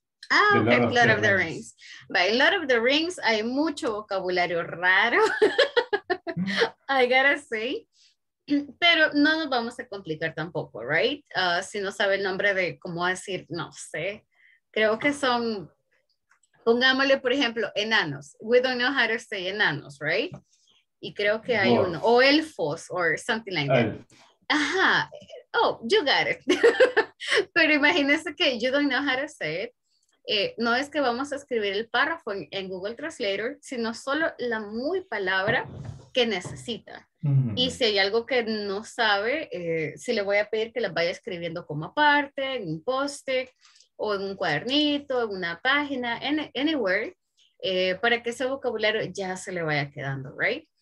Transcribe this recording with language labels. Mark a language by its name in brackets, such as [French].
[English] Ah, ok, Lord of the Rings. By Lord of the Rings [Spanish] hay mucho vocabulario raro. [English] I gotta say. [Spanish] Pero no nos vamos a complicar tampoco, right? Si no sabe el nombre de cómo decir, no sé. Creo que son, pongámosle por ejemplo, enanos. [English] We don't know how to say enanos, right? [Spanish] Y creo que hay uno. O elfos [English] or something like that. [Spanish] Ajá. [English] Oh, you got it. [Spanish] Pero imagínese que [English] you don't know how to say it. [Spanish] No es que vamos a escribir el párrafo en Google Translator, sino solo la muy palabra que necesita. Y si hay algo que no sabe, si le voy a pedir que la vaya escribiendo como aparte, en un post-it, o en un cuadernito, en una página, anywhere, para que ese vocabulario ya se le vaya quedando, right?